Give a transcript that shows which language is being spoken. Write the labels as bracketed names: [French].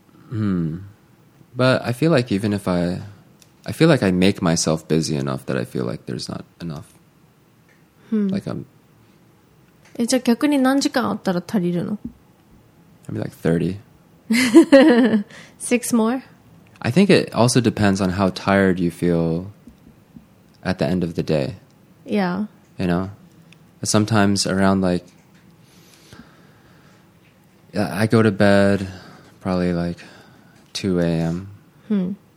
[English] But I feel like even if I feel like I make myself busy enough that I feel like there's not enough. [Japanese] え、じゃあ逆に何時間あったら足りるの? [English] I'd be like 30. Six more? I think it also depends on how tired you feel at the end of the day. Yeah. You know? Sometimes around like I go to bed probably like 2 a.m.